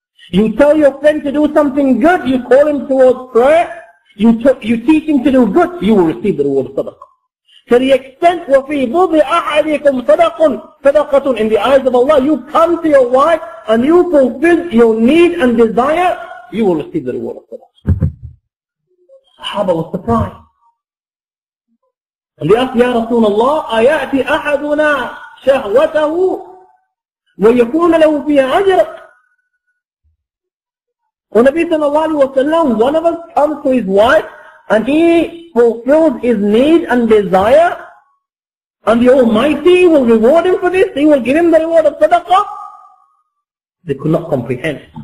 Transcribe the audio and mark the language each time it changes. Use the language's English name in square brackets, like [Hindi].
[English] You tell your friend to do something good, you call him towards prayer, you teach him to do good, you will receive the reward of sadaqah. To the extent, [Arabic] وَفِي بُضِ أَحَدِكُمْ صَدَقٌ صَدَقَةٌ [English] in the eyes of Allah, you come to your wife and you fulfill your need and desire, you will receive the reward of sadaqah. Sahaba was surprised. And they asked, [Arabic] يا رسول الله أيأتي أحدنا شهوته ويكون له فيها أجر. ونبي صلى الله عليه وسلم, [English] one of us comes to his wife and he fulfills his need and desire and the Almighty will reward him for this, he will give him the reward of صدقه. They could not comprehend.